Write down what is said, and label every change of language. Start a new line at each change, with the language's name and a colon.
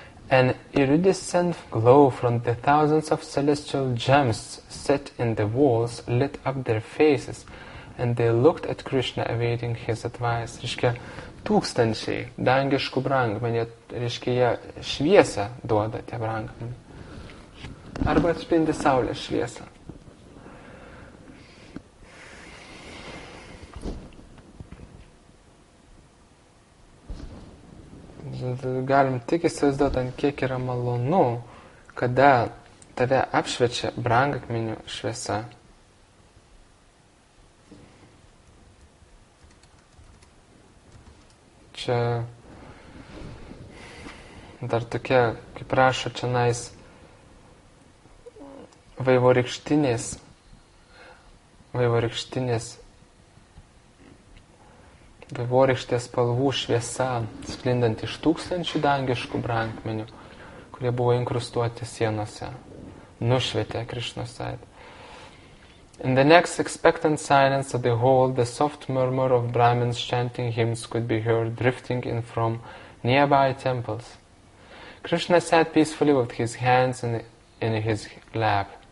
English: An iridescent glow from the thousands of celestial gems set in the walls lit up their faces, and they looked at Krishna awaiting his advice.
Lithuanian: Reiškia, tūkstančiai dangiškų brangmenių, reiškia, jie šviesą duoda tie brangmenių. Arba atspindi saulės šviesą. Galim tik įsivaizduoti, ant kiek yra malonu, kada tave apšviečia brangakmenių šviesa. Čia dar tokia, kaip rašo čia nais vaivorykštinės vaivorykštės spalvų šviesa sklindant iš tūkstančių dangiškų brangmenių, kurie buvo inkrustuoti sienose, nušvietė Krišnos veidą.
English: In the next expectant silence of the hall, the soft murmur of Brahmins chanting hymns could be heard drifting in from nearby temples. Krishna sat peacefully with his hands in his lap.